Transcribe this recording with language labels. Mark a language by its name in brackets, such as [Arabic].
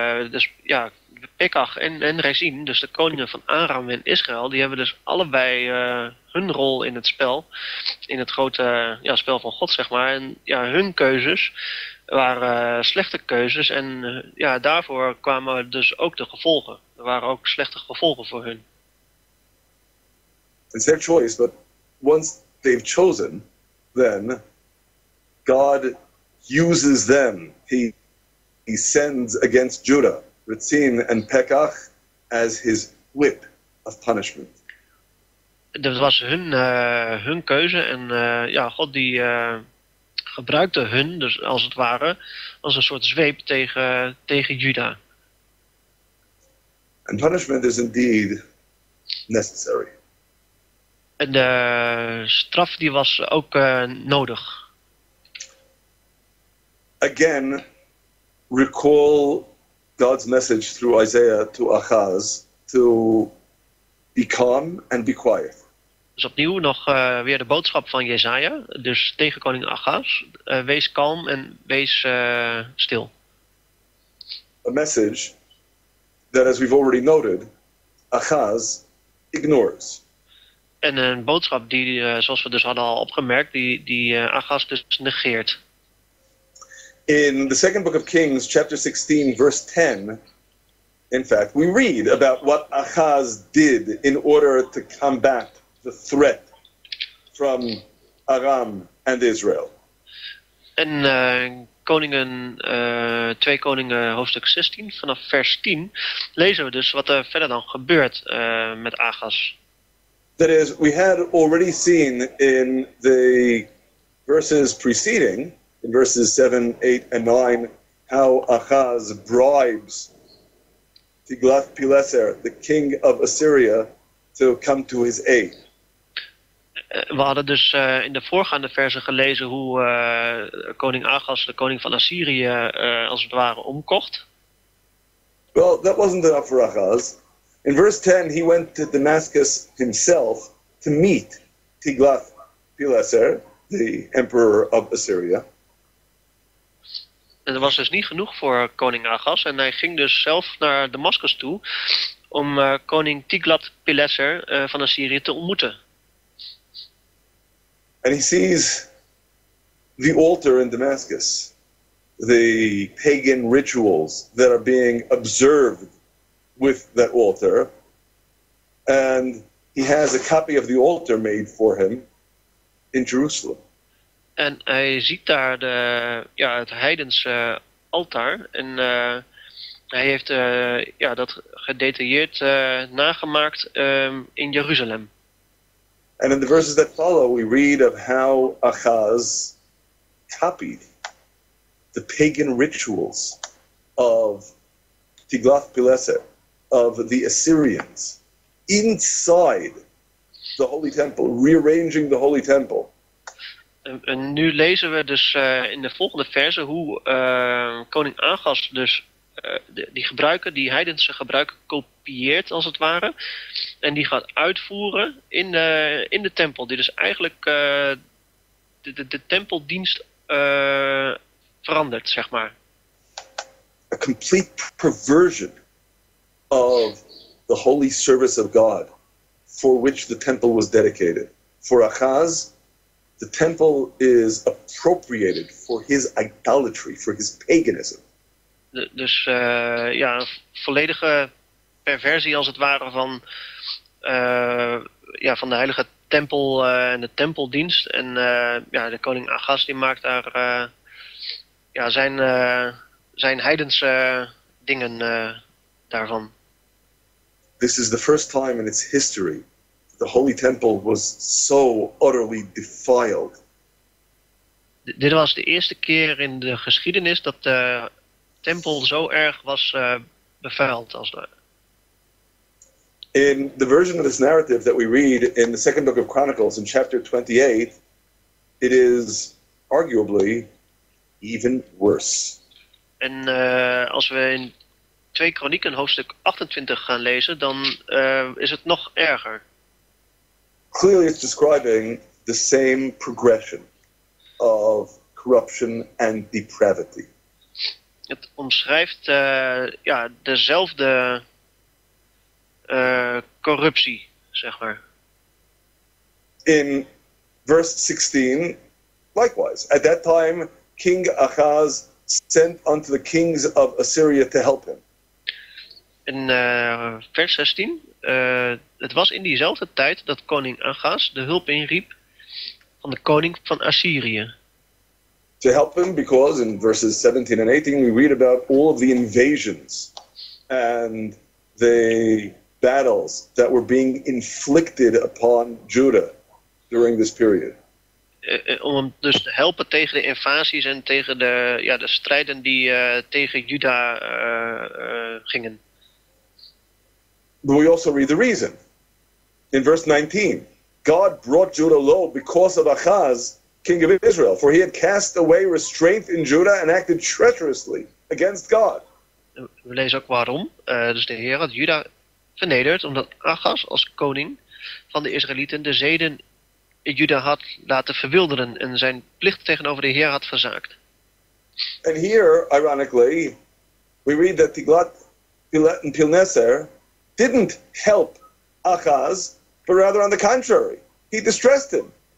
[Dutch] Dus Pekach en Rezin, dus de koningen van Aram en Israël, die hebben dus allebei hun rol in het spel, in het grote spel van God, zeg maar. En ja, hun keuzes waren slechte keuzes en daarvoor kwamen dus ook de gevolgen. Er waren ook slechte gevolgen voor hun. [English] It's their choice, but once they've chosen, then God uses them. He sends against Judah, Ritzin and Pekach, as his whip of punishment. [Dutch] Dat was hun keuze en God die gebruikte hun, dus als het ware, als een soort zweep tegen Juda. [English] And punishment is indeed necessary. [Dutch] En de straf die was ook nodig. [English] Again, recall God's message through Isaiah to Ahaz to be calm and be quiet. [Dutch] Dus opnieuw nog weer de boodschap van Jesaja, dus tegen koning Achaz. Wees kalm en wees stil. [English] A message that, as we've already noted, Achaz ignores. [Dutch] En een boodschap die, zoals we dus hadden al opgemerkt, die Achaz dus negeert. [English] In the second book of Kings, chapter 16, verse 10, in fact, we read about what Achaz did in order to combat the threat from Aram and Israel. [Dutch] En koningen, 2 Koningen hoofdstuk 16 vanaf vers 10 lezen we dus wat er verder dan gebeurt met Achaz. [English] That is, we had already seen in the verses preceding, in verses 7, 8 and 9, how Achaz bribes Tiglath-Pileser, the king of Assyria, to come to his aid. [Dutch] We hadden dus in de voorgaande verzen gelezen hoe koning Achaz, de koning van Assyrië, als het ware omkocht. [English] Well, that wasn't enough for Ahaz. In verse 10, he went to Damascus himself to meet Tiglath-Pileser, the emperor of Assyria. [Dutch] Het was dus niet genoeg voor koning Ahaz en hij ging dus zelf naar Damascus toe om koning Tiglath-Pileser van Assyrië te ontmoeten. [English] And he sees the altar in Damascus, the pagan rituals that are being observed with that altar, and he has a copy of the altar made for him in Jerusalem. [Dutch] En hij ziet daar de, ja, het heidense altaar en hij heeft ja, dat gedetailleerd nagemaakt in Jeruzalem. [English] And in the verses that follow, we read of how Ahaz copied the pagan rituals of Tiglath-Pileser, of the Assyrians, inside the Holy Temple, rearranging the Holy Temple. [Dutch] En nu lezen we dus in de volgende verse hoe koning Ahaz dus die gebruiken, die heidense gebruiken, kopieert als het ware. En die gaat uitvoeren in de tempel. Die dus eigenlijk de tempeldienst verandert, zeg maar. [English] A complete perversion of the holy service of God for which the temple was dedicated. For Ahaz, the temple is appropriated for his idolatry, for his paganism. [Dutch] Dus ja, volledige perversie als het ware van, ja, van de heilige tempel en de tempeldienst. En ja, de koning Ahaz die maakt daar ja, zijn heidense dingen daarvan. [English] This is the first time in its history the Holy Temple was so utterly defiled. [Dutch] Dit was de eerste keer in de geschiedenis dat de tempel zo erg was bevuild als dat. [English] In the version of this narrative that we read in the second book of Chronicles in chapter 28, it is arguably even worse. [Dutch] En als we in 2 Kronieken hoofdstuk 28 gaan lezen, dan is het nog erger. [English] Clearly it's describing the same progression of corruption and depravity. [Dutch] Het omschrijft ja, dezelfde corruptie, zeg maar. [English] In verse 16, likewise, at that time King Ahaz sent unto the kings of Assyria to help him. [Dutch] In vers 16, het was in diezelfde tijd dat koning Ahaz de hulp inriep van de koning van Assyrië. [English] To help him, because in verses 17 and 18 we read about all of the invasions and the battles that were being inflicted upon Judah during this period. [Dutch] Om hem dus te helpen tegen de invasies en tegen de, ja, de strijden die tegen Juda gingen. [English] But we also read the reason. In verse 19, God brought Judah low because of Ahaz, king of Israel, for he had cast away restraint in Judah and acted treacherously against God. [Dutch] We lezen ook waarom. Dus de Heer had Juda vernederd, omdat Ahaz als koning van de Israëlieten de zeden in Juda had laten verwilderen en zijn plicht tegenover de Heer had verzaakt. [English] And here, ironically, we read that Tiglath-Pileser didn't help Ahaz, but rather on the contrary, he distressed him.